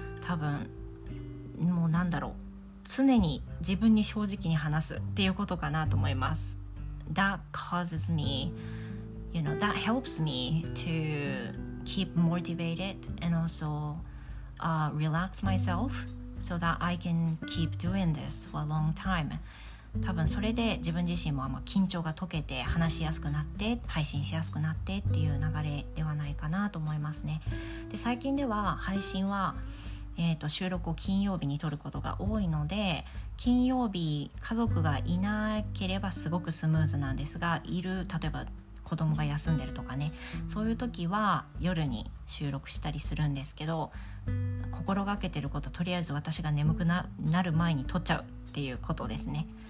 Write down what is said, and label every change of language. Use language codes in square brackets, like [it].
[ja] 多分もうなんだろう、常に自分に正直に話すっていうことかなと思います。 [en] That causes meYou know, that helps me to keep motivated and also relax myself so that I can keep doing this for a long time. [ja] 多分それで自分自身もあんま緊張が解けて話しやすくなって配信しやすくなってっていう流れではないかなと思いますね。で、最近では配信は収録を金曜日に撮ることが多いので、金曜日家族がいなければすごくスムーズなんですが、いる例えば子供が休んでるとかね、そういう時は夜に収録したりするんですけど、心がけてることとりあえず私が眠くなる前に撮っちゃうっていうことですね。